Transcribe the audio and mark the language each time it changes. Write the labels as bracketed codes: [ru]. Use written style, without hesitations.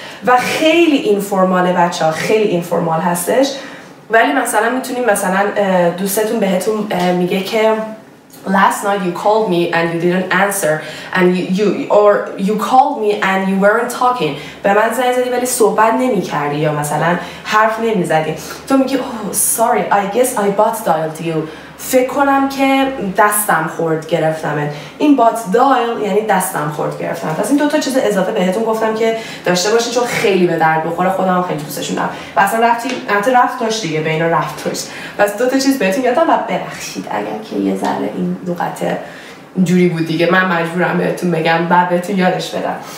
[fa] و خیلی اینفورماله بچه ها، خیلی اینفورمال هستش. ولی مثلا میتونیم مثلا دوستتون بهتون میگه که [en] last night you called me and you didn't answer and you called me and you weren't talking. [fa] به من زنگ زدی ولی صحبت نمی کردی یا مثلا حرف نمی زدی. تو میگی [en] oh sorry, I guess I but dialed you. [fa] فکر کنم که دستم خورد گرفتم. این but dial یعنی دستم خورد گرفتم. پس این دوتا چیز اضافه بهتون گفتم که داشته باشین چون خیلی به درد بخوره. خودم خیلی دوستشون دارم و اصلا رفت داشت دیگه بین رو رفت داشت. پس دوتا چیز بهتون یادم و ببخشید اگر که یه ذره این لغت جوری بود دیگه، من مجبورم بهتون بگم و بهتون یادش بدم.